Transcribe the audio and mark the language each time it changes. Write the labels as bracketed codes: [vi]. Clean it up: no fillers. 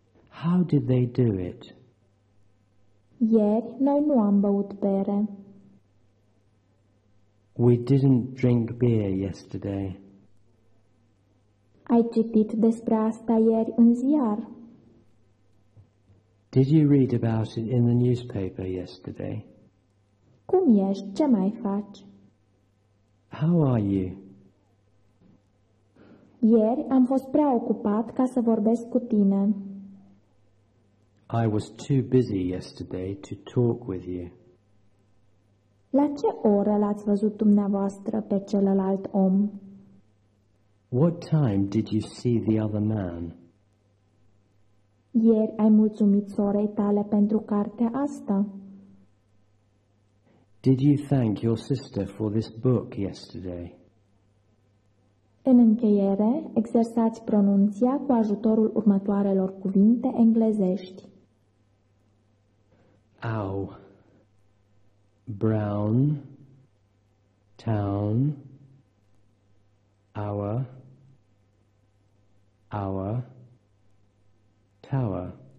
[en] How did they do it? [ro] Ieri noi nu am băut bere. [en] We didn't drink beer yesterday. [ro] Ai citit despre asta ieri în ziar? [en] Did you read about it in the newspaper yesterday? [ro] Cum ești? Ce mai faci? [en] How are you? [ro] Ieri am fost prea ocupat ca să vorbesc cu tine. [en] I was too busy yesterday to talk with you. [ro] La ce oră l-ați văzut dumneavoastră pe celălalt om? [en] What time did you see the other man? [ro] Ieri ai mulțumit sorei tale pentru cartea asta. [en] Did you thank your sister for this book yesterday? [ro] În încheiere, exersați pronunția cu ajutorul următoarelor cuvinte englezești. [en] Au, brown, town, our, our, tower,